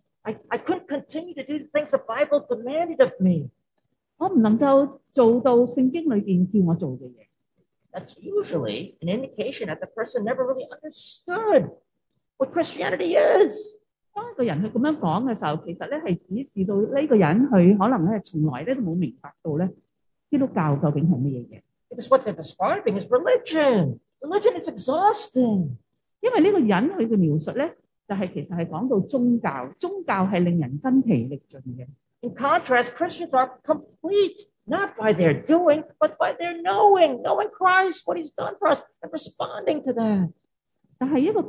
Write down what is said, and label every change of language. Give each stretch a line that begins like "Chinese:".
English: I couldn't continue to do the things the Bible demanded of me.
Chinese: 我不能够做到圣经里面叫我做的事。
English: That's usually an indication that the person never really understood what Christianity is.
Chinese: 当一个人这样说的时候，其实是指示到这个人从来都没有明白到基督教究竟是什么。
English: Because what they're describing is religion. Religion is exhausting.
Chinese: 因为这个人的描述其实是讲到宗教，宗教是令人筋疲力尽的。
English: In contrast, Christians are complete, not by their doing, but by their knowing. Knowing Christ, what he's done for us, and responding to that.